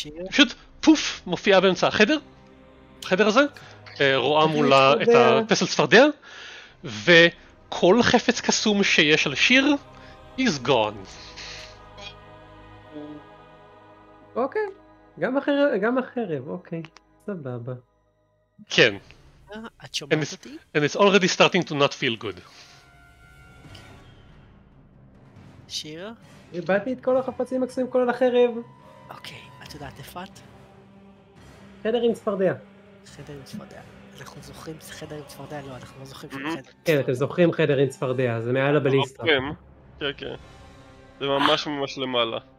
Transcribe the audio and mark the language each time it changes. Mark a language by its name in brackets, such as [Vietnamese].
[Hebrew] פשוט פוף מופיעה באמצע החדר, החדר הזה, רואה מולה את הפסל צפרדיה, וכל חפץ קסום שיש על שיר [English] is gone. [Hebrew] אוקיי, גם החרב, אוקיי, סבבה. כן. את שומעת אותי? [English] And it's already starting to not feel good. [Hebrew] שיר? הבאתי את כל החפצים הקסומים כולל החרב. אוקיי, את יודעת איפה את? חדר עם צפרדע. חדר עם צפרדע. אנחנו זוכרים חדר עם צפרדע? לא, אנחנו לא זוכרים חדר עם צפרדע. כן, אתם זוכרים חדר עם צפרדע, זה מעל הבליסטה. כן, כן, כן. זה ממש ממש למעלה.